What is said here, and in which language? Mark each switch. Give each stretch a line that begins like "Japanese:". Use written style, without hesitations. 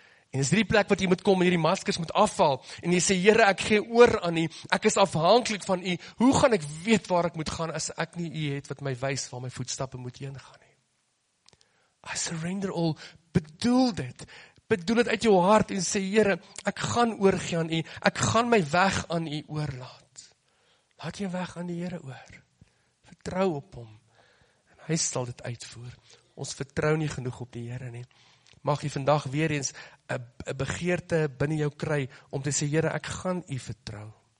Afrikaans: En is die plek wat jy moet kom en hierdie maskers moet afval. En jy sê, Here, ek gee oor aan U. Ek is afhanklik van U. Hoe gaan ek weet waar ek moet gaan as ek nie U het wat my wys waar my voetstappe moet heen gaan nie?
English: I surrender all.
Afrikaans: Bedoel dit. Bedoel dit uit jou hart en sê, Here, ek gaan oorgee aan U. Ek gaan my weg aan U oorlaat. Laat jou weg aan die Here oor. Vertrou op hom. En hy sal dit uitvoer. Ons vertrou nie genoeg op die Here nie. Mag jy vandag weer eens 'n begeerte binne jou kry om te sê, Here, ek gaan U vertrou.